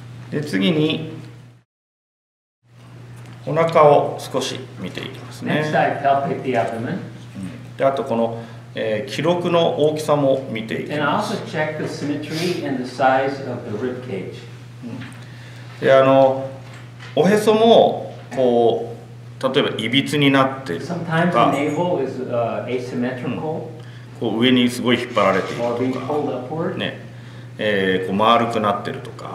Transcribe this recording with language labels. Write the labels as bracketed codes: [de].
[ja] で次にお腹を少し見ていきますね。 [en] Next, I palpate the abdomen. [ja] であとこの記録の大きさも見ていきます。 [en] And also check the symmetry and the size of the rib cage. [ja] で、おへそもこう例えばいびつになっているとか、 [en] Sometimes the navel is asymmetrical. [ja] こう上にすごい引っ張られているとか、 [en] Or being pulled upward. [ja] ね、こう丸くなっているとか、